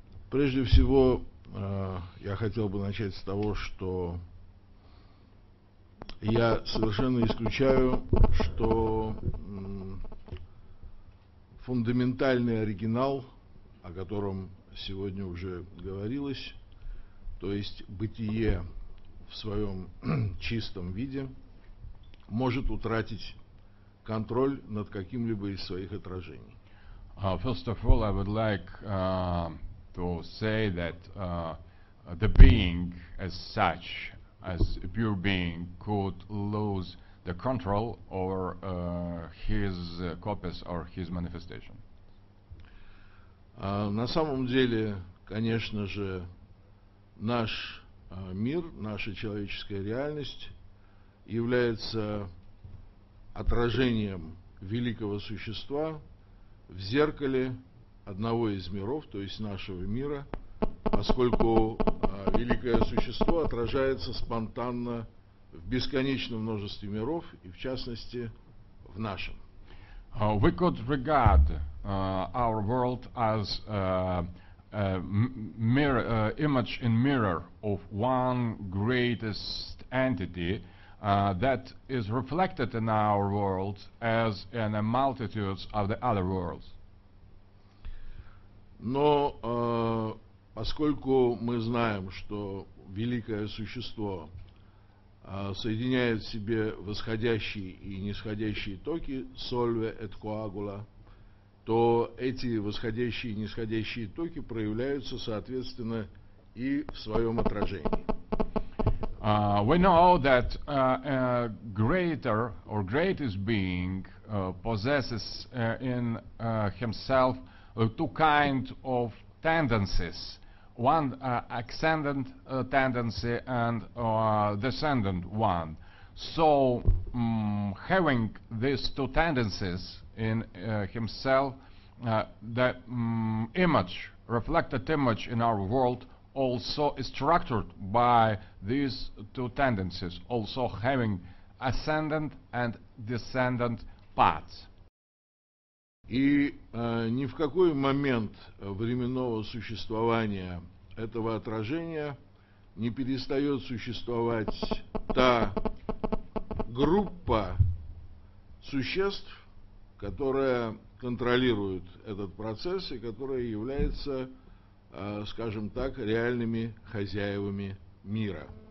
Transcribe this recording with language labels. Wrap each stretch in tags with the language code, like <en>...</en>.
<ru>Прежде всего, я хотел бы начать с того, что я совершенно исключаю, что фундаментальный оригинал, о котором сегодня уже говорилось, то есть бытие в своем чистом виде, может утратить контроль над каким-либо из своих отражений.</ru> <en>First of all, I would like to say that the being as such, as a pure being, could lose the control over his copies or his manifestation.</en> <ru>На самом деле, конечно же, наш мир, наша человеческая реальность является отражением великого существа в зеркале одного из миров, то есть нашего мира, поскольку великое существо отражается спонтанно в бесконечном множестве миров и, в частности, в нашем.</ru> <en>We could regard our world as image in mirror of one greatest entity that is reflected in our world as in a multitudes of the other worlds.</en> <ru>Но поскольку мы знаем, что великое существо соединяет в себе восходящие и нисходящие токи,</ru> <la>solve et coagula,</la> <ru>то эти восходящие и нисходящие токи проявляются, соответственно, и в своем отражении.</ru> <en>We know that a greater or greatest being possesses in himself two kind of tendencies, one ascendant tendency and descendant one. So having these two tendencies in himself, the image, reflected image in our world also is structured by these two tendencies, also having ascendant and descendant parts.</en> <ru>И ни в какой момент временного существования этого отражения не перестает существовать та группа существ, которая контролирует этот процесс и которая является, скажем так, реальными хозяевами мира.</ru>